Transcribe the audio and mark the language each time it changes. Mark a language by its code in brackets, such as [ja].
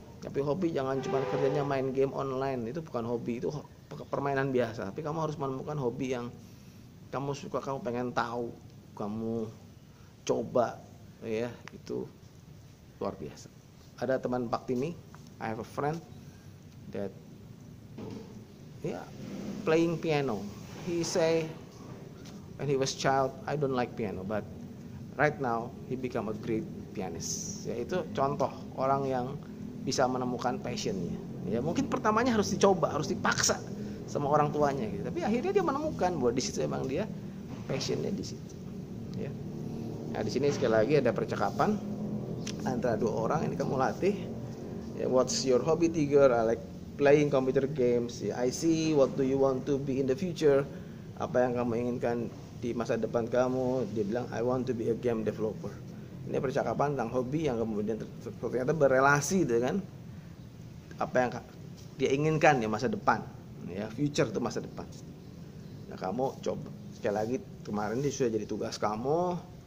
[id] Tapi hobi jangan cuma kerjanya main game online, itu bukan hobi, itu permainan biasa. Tapi kamu harus menemukan hobi yang kamu suka, kamu pengen tahu, kamu coba, ya, itu luar biasa. Ada teman Pak Timi, [en] I have a friend that yeah, playing piano. He say when he was child, I don't like piano, but right now he become a great pianist. [id] Ya, itu contoh orang yang bisa menemukan passionnya. Ya, mungkin pertamanya harus dicoba, harus dipaksa sama orang tuanya gitu. Tapi akhirnya dia menemukan bahwa di situ emang dia passionnya di situ. Ya. Nah, di sini sekali lagi ada percakapan antara dua orang ini kamu latih. [en] Ya, what's your hobby, Tiger? I like playing computer games. Ya, I see, what do you want to be in the future? [id] Apa yang kamu inginkan di masa depan kamu? Dia bilang, [en] I want to be a game developer. [id] Ini percakapan tentang hobi yang kemudian ternyata berrelasi dengan apa yang dia inginkan ya, masa depan. Ya, future itu masa depan. Nah, kamu coba sekali lagi, kemarin ini sudah jadi tugas kamu.